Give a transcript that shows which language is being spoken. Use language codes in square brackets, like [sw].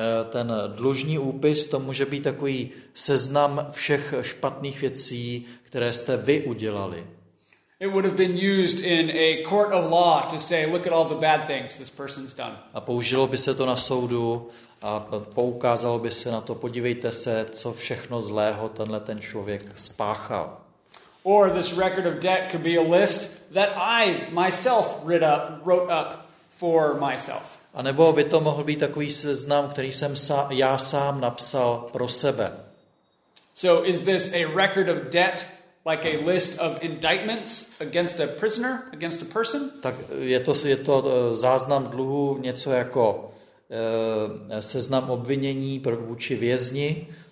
[cs] Ten dlužní úpis, to může být takový seznam všech špatných věcí, které jste vy udělali. [en] It would have been used in a court of law to say, look at all the bad things this person's done. [cs] A použilo by se to na soudu a poukázalo by se na to, podívejte se, co všechno zlého tenhle ten člověk spáchal. [en] Or this record of debt could be a list that I myself wrote up for myself. [cs] A nebo by to mohl být takový seznam, který jsem já sám napsal pro sebe. [en] So is this a record of debt like a list of indictments against a prisoner, against a person? [cs] Tak je to záznam dluhu něco jako seznam obvinění vůči vězni?